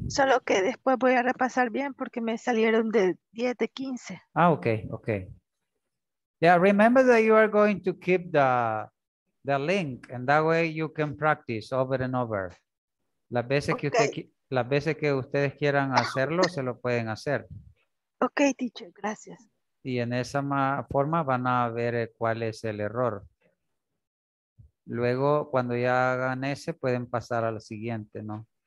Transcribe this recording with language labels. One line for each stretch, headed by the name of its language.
Spanish: Solo que después voy a repasar bien porque me salieron de 10 de 15.
English: Ah, okay, okay. Yeah, remember that you are going to keep the link and that way you can practice over and over.
Spanish: Las veces, okay. Las veces que ustedes quieran hacerlo, se lo pueden hacer.
English: Ok, teacher, gracias.
Spanish: Y en esa forma van a ver cuál es el error. Luego, cuando ya hagan ese, pueden pasar al siguiente, ¿no?